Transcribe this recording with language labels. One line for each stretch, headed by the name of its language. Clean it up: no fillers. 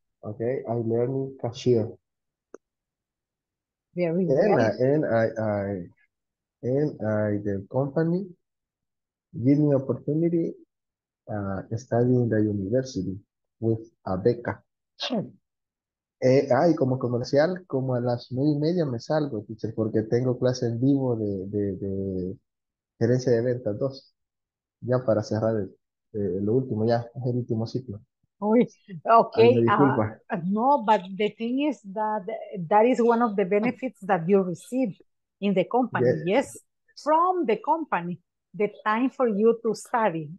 English: Okay, I learning cashier. Very good. And I the company give me opportunity studying the university with a beca. Sure.
Spanish: Y como comercial, como a las 9:30 me salgo, teacher, porque tengo clase en vivo de gerencia de ventas 2. Ya para cerrar lo último, ya es el último ciclo. Uy, okay.
English: No, but the thing is that is one of the benefits that you receive in the company. Yes. Yes, from the company, the time for you to study.